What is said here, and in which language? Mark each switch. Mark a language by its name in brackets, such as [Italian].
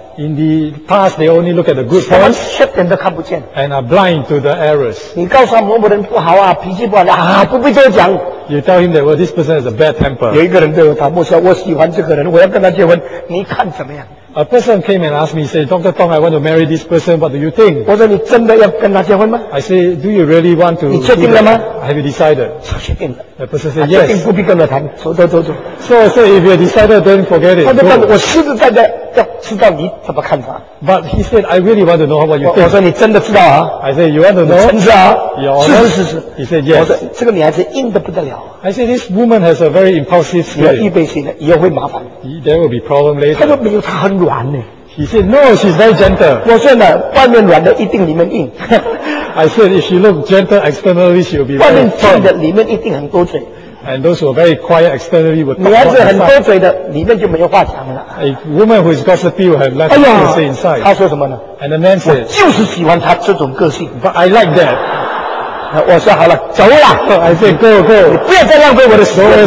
[English] In the past, they only look at the good points. [Chinese] 什么缺点都看不见。 [English] And are blind to the errors. [Chinese] 你告诉他某某人不好啊，脾气不好啊，不必多讲。 [English] You tell him that well, this person has a bad temper. [Chinese] 有一个人对我讨论说，我喜欢这个人，我要跟他结婚，你看怎么样 [English] ？A person came and asked me, say, Dr. Tong, I want to marry this person. What do you think? [Chinese] 我说你真的要跟他结婚吗 [English] ？I say, do you really want to? [Chinese] 你确定了吗 [English] ？Have you decided? [Chinese] 确定了。 [English] The person said yes. [Chinese] 确定不必跟他谈，走走走走。 [English] So I say, if you decided, then forget it. [Chinese] 他就我实实在在。要知道你怎么看法。 [English] But he said, I really want to know what you think. [Chinese] 我说你真的知道啊。 [English] I said, you want to know? [Chinese] 诚实啊。 [English] Honest? [Chinese] 是是是是。 [English] He said, yes. [Chinese] 我说这个女孩子硬得不得了。 [English] I said, this woman has a very impulsive spirit. [Chinese] 你要预备心的，以后会麻烦。 [English] There will be problem later. [Chinese] 他说没有，她很软呢。 [English] He said, no, she's very gentle. [Chinese] 我说呢，外面软的一定里面硬。 [English] I said, if she looks gentle externally, she will be very firm. [Chinese] 外面硬的里面一定很多嘴。 [English] And those who are very quiet externally would talk. [Chinese] 女孩子很多嘴的，里面就没有话讲了。 [English] A woman who is gossipy will have nothing to say inside. [Chinese] 她说什么呢 [English] ？And the man says, [Chinese] 我就是喜欢她这种个性。 [English] But I like that. [Chinese] 我说好了，走了。 [English] I said, go, go. [Chinese] 你不要再浪费我的时间。